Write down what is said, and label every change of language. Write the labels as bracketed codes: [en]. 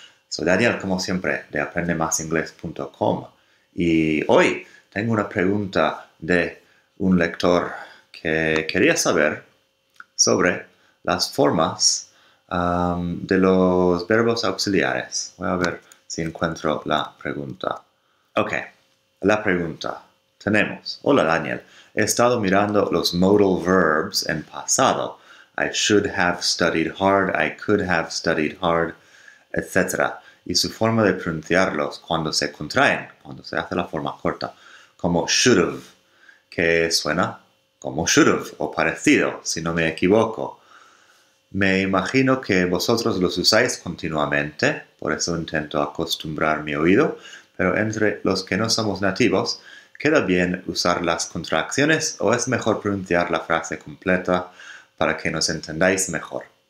[es] Soy Daniel, como siempre, de aprendemasingles.com y hoy tengo una pregunta de un lector que quería saber sobre las formas de los verbos auxiliares. Voy a ver si encuentro la pregunta. Ok, la pregunta. Tenemos, hola Daniel, he estado mirando los modal verbs en pasado. [en] I should have studied hard, I could have studied hard, etc. [es] Y su forma de pronunciarlos cuando se contraen, cuando se hace la forma corta, como should've, que suena como should've o parecido, si no me equivoco. Me imagino que vosotros los usáis continuamente, por eso intento acostumbrar mi oído, pero entre los que no somos nativos, ¿queda bien usar las contracciones o es mejor pronunciar la frase completa para que nos entendáis mejor?